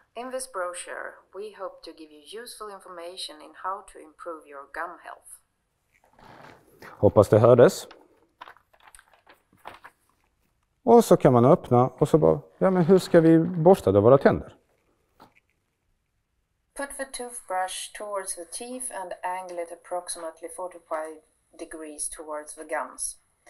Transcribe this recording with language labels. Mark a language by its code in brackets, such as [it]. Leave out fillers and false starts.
[en] In this brochure, we hope to give you useful information in how to improve your gum health. [sv] Hoppas det hördes. Och så kan man öppna och så bara, ja men hur ska vi borsta då våra tänder? [en] Put the toothbrush towards the teeth and angle it approximately 45 degrees towards the gums.